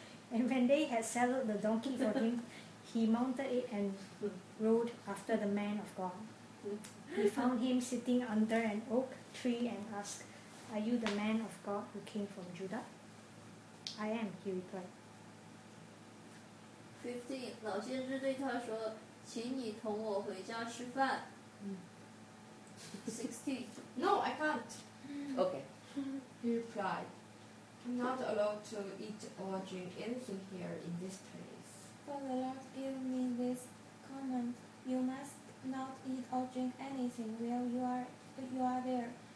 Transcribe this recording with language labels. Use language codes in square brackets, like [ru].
[en] And when they had saddled the donkey for him, he mounted it and rode after the man of God. He found him sitting under an oak tree and asked, "Are you the man of God who came from Judah?" "I am," he replied. 15. [zh] 老先知对他说, 请你同我回家吃饭. 16. [en] "No, I can't." Okay. He replied, "I'm not allowed to eat or drink anything here in this place." "But the Lord gave me this command, you must not eat or drink anything while you are there.